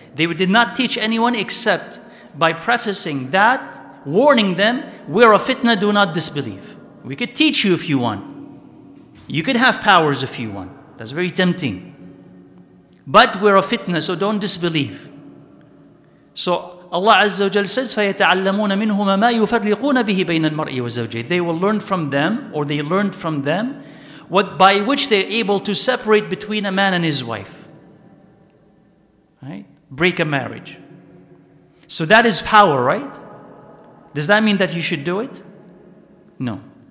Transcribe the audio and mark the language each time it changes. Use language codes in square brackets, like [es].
[en] They did not teach anyone except by prefacing that, warning them, we're a fitna, do not disbelieve. We could teach you if you want. You could have powers if you want. That's very tempting. But we're a fitna, so don't disbelieve. So Allah Azza wa Jal says, [ar] فَيَتَعَلَّمُونَ مِنْهُمَ مَا يُفَرِّقُونَ بِهِ بَيْنَ الْمَرْءِ وَالزَّوْجِهِ. [en] They will learn from them, or they learned from them, what by which they're able to separate between a man and his wife. Right? Break a marriage. So that is power, right? Does that mean that you should do it? No.